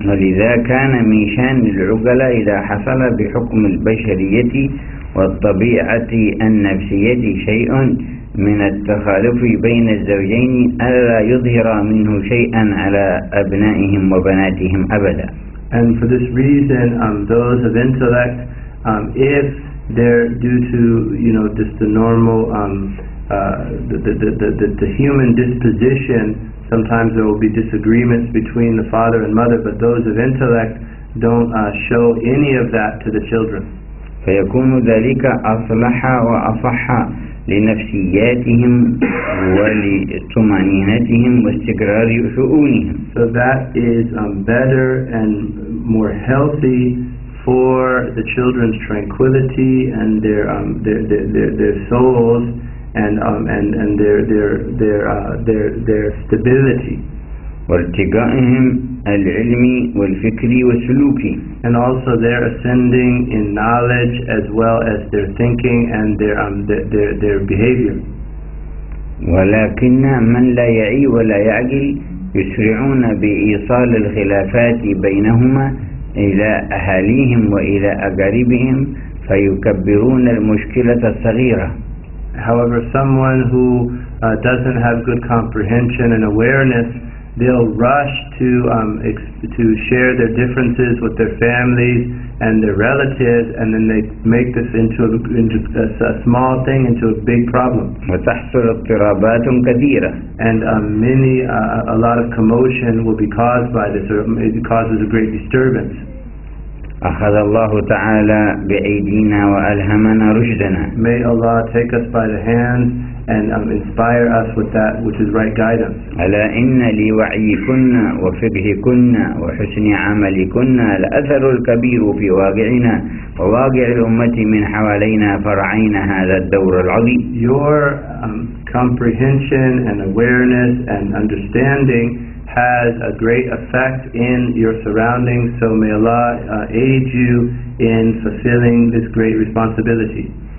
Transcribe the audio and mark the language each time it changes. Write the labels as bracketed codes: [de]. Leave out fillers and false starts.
[ar] ولذا كان من شأن العقلاء إذا حصل بحكم البشرية والطبيعة النفسية شيء من التخالف بين الزوجين ألا يظهر منه شيئا على أبنائهم وبناتهم أبدا. [en] And for this reason, those of intellect, if they're due to, you know, just the normal, the human disposition, sometimes there will be disagreements between the father and mother, but those of intellect don't show any of that to the children. [ar] فيكون ذلك أصلح وأصح لنفسياتهم ولطمأنينتهم واستقرار شؤونهم. [en] So that is better and more healthy for the children's tranquility and their souls and their stability. [ar] وارتقائهم العلمي والفكري والسلوكي. [en] And also they're ascending in knowledge as well as their thinking and their behavior. [ar] ولكن من لا يعي ولا يعقل يسرعون بإيصال الخلافات بينهما إلى أهاليهم وإلى أقاربهم فيكبرون المشكلة الصغيرة. [en] However, someone who doesn't have good comprehension and awareness, they'll rush to share their differences with their families and their relatives, and then they make this into a small thing, into a big problem. [ar] وتحصل اضطرابات كثيرة. [en] And a lot of commotion will be caused by this, or it causes a great disturbance. [ar] أخذ الله تعالى بأيدينا وألهمنا رشدنا. [en] May Allah take us by the hand and inspire us with that which is right guidance. [ar] ألا إن لوعيكن وفقهكن وحسن عملكن الأثر الكبير في واقعنا وواقع الأمة من حوالينا فرعين هذا الدور العظيم. [en] Your comprehension and awareness and understanding has a great effect in your surroundings, so may Allah aid you in fulfilling this great responsibility.